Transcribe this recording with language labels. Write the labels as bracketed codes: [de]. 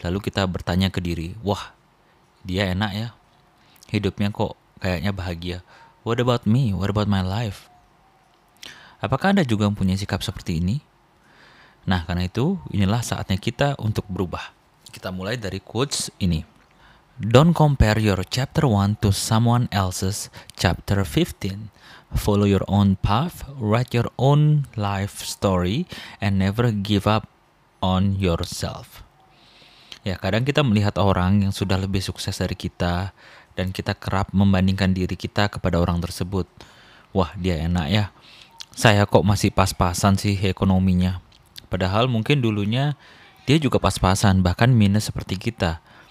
[id] Lalu kita bertanya ke diri, wah dia enak ya, hidupnya kok kayaknya bahagia. [en] What about me? What about my life? [id] Apakah Anda juga mempunyai sikap seperti ini? Nah, karena itu inilah saatnya kita untuk berubah. Kita mulai dari quotes ini. [en] Don't compare your chapter 1 to someone else's chapter 15. Follow your own path, write your own life story, and never give up on yourself. [id] Ya, kadang kita melihat orang yang sudah lebih sukses dari kita, dan kita kerap membandingkan diri kita kepada orang tersebut. Wah, dia enak ya. Saya kok masih pas-pasan sih ekonominya. Padahal mungkin dulunya dia juga pas-pasan, bahkan minus seperti kita.